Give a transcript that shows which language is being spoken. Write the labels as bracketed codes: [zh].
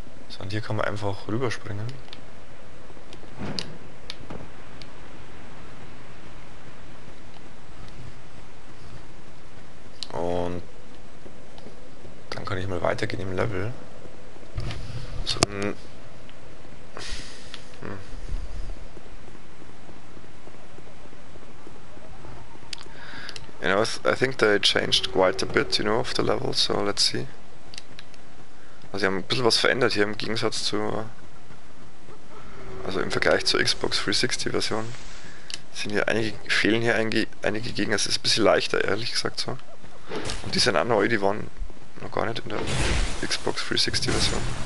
[de] So, und hier kann man einfach rüberspringen. Und dann kann ich mal weitergehen im Level. [en] So, you know, I think they changed quite a bit, you know, of the level, so let's see. [de] Also sie haben ein bisschen was verändert hier im Gegensatz zu, also im Vergleich zur Xbox 360 Version. Fehlen hier einige Gegner, es ist ein bisschen leichter, ehrlich gesagt so. Und die sind auch neu, die waren noch gar nicht in der Xbox 360 Version.